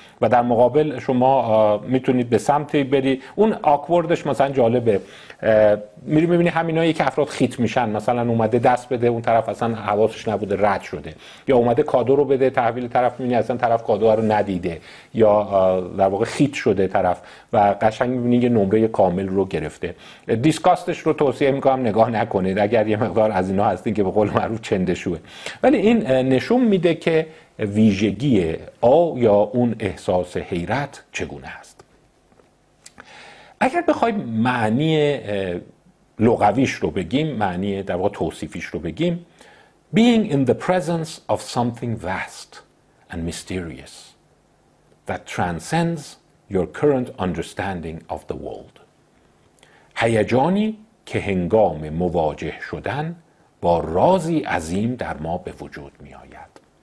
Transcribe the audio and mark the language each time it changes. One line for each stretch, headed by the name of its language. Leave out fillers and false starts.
Persian: و در مقابل شما میتونید به سمتی بری، اون آکوردش مثلا جالبه، میری میبینی همینایی که افراد خیت میشن، مثلا اومده دست بده اون طرف اصلا حواسش نبوده رد شده، یا اومده کادو رو بده تحویل طرف، میبینی اصلا طرف کادو رو ندیده یا در واقع خیت شده طرف و قشنگ میبینی یه نمره کامل رو گرفته. دیسکاستش رو توصیه میکنم نگاه نکنید اگر یه مقدار از اینا هستین که به قول معروف چندشوه، ولی این نشون میده که ویژگی یا اون احساس حیرت چگونه است. اگر بخوایم معنی لغویش رو بگیم،
English: معنی در واقع توصیفیش رو بگیم، being in the presence of something vast and mysterious that transcends your current understanding of the world.
Persian: هیجانی که هنگام مواجه شدن با رازی عظیم در ما به وجود می آید.